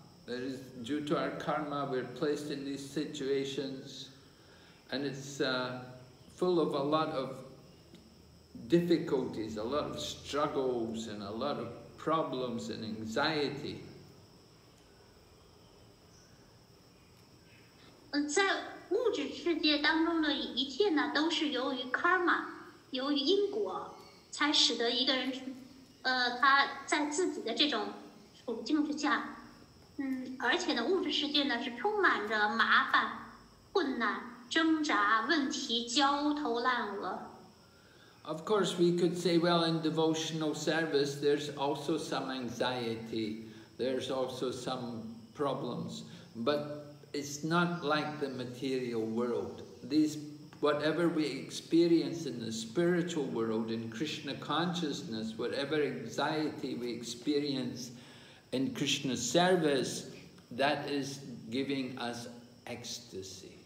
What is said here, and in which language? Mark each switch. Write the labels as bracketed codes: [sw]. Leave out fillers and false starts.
[en] That is due to our karma, we're placed in these situations, and it'sfull of a lot of difficulties, a lot of struggles, and a lot of problems and anxiety. [zh] 在物质世界当中的一切呢，都是由于 karma, 由于因果，才使得一个人，他在自己的这种处境之下，而且呢，物质世界呢是充满着麻烦、困难。挣扎问题焦头烂额。 [en] Of course, we could say, well, in devotional service, there's also some anxiety, there's also some problems, but it's not like the material world. These, whatever we experience in the spiritual world, in Krishna consciousness, whatever anxiety we experience in Krishna's service, that is giving us ecstasy.